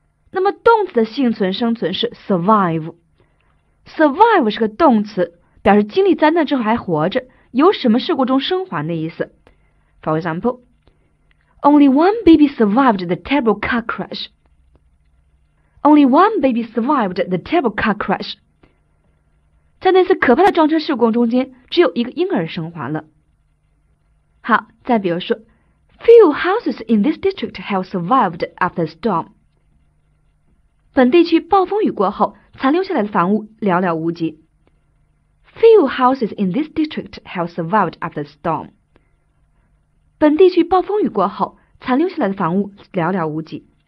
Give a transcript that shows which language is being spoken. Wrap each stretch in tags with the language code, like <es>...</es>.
<zh>那么动词的幸存、生存是 survive. Survive 是个动词，表示经历灾难之后还活着，由什么事故中生还的意思。</zh> <en>For example, only one baby survived the terrible car crash. Only one baby survived the terrible car crash.</en> <zh>在那次可怕的撞车事故中间，只有一个婴儿生还了。好，再比如说</zh> <en>，few houses in this district have survived after the storm.</en> <zh>本地区暴风雨过后，残留下来的房屋寥寥无几。</zh> <en>Few houses in this district have survived after the storm.</en> <zh>本地区暴风雨过后，残留下来的房屋寥寥无几。</zh>